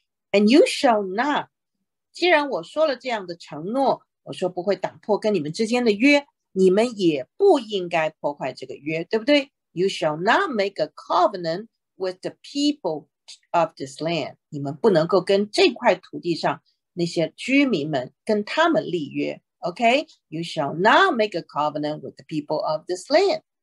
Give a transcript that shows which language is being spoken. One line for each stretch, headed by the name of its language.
English: And you shall not
Chinese: 既然我说了这样的承诺，我说不会打破跟你们之间的约，你们也不应该破坏这个约，对不对？
English: You shall not make a covenant with the people of this land.
Chinese: 你们不能够跟这块土地上那些居民们跟他们立约。
English: Okay? You shall not make a covenant with the people of this land.